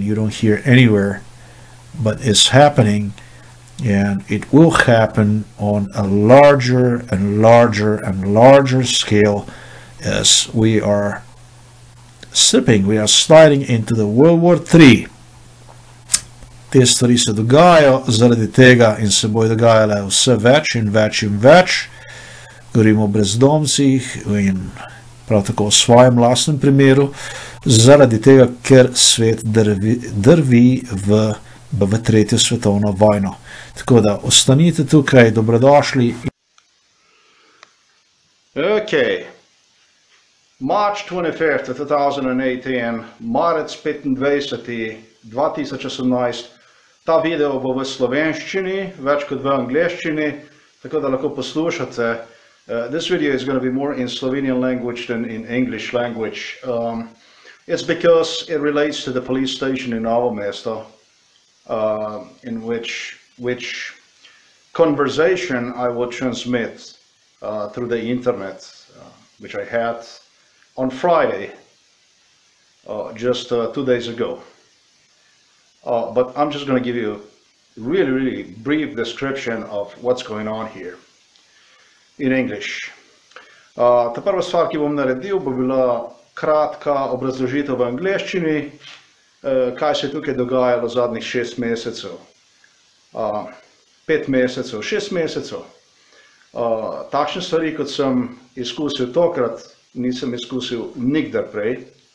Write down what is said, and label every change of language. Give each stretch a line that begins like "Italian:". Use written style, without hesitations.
English: You don't hear anywhere, but it's happening and it will happen on a larger and larger and larger scale as we are sipping. We are sliding into the World War III.
Slovenian: Te stvari se dogajajo zaradi tega in se bojo dogajale vse več in več in več. Govorimo o brezdomcih in prav tako o svojem lastnem primeru, zaradi tega, ker svet drvi v tretjo svetovno vojno. Tako da, ostanite tukaj, dobrodošli. Ok.
English: March 25, 2018,
Slovenian: marec 25, 2018, Ta video bo v slovenščini, več kot v angleščini, tako da lahko poslušate.
English: This video is going to be more in Slovenian language than in English language. It's because it relates to the police station in Novo mesto, in which conversation I will transmit through the internet, which I had on Friday, just 2 days ago. But I'm just going to give you a really, really brief description of what's going on here in English.
Slovenian: Ta prva stvar, ki bom naredil, bo bila kratka obrazložitev v angleščini, kaj se tukaj dogajalo zadnjih šest mesecev. Pet mesecev, šest mesecev. Takšne stvari, kot sem izkusil tokrat, nisem izkusil nikdar prej.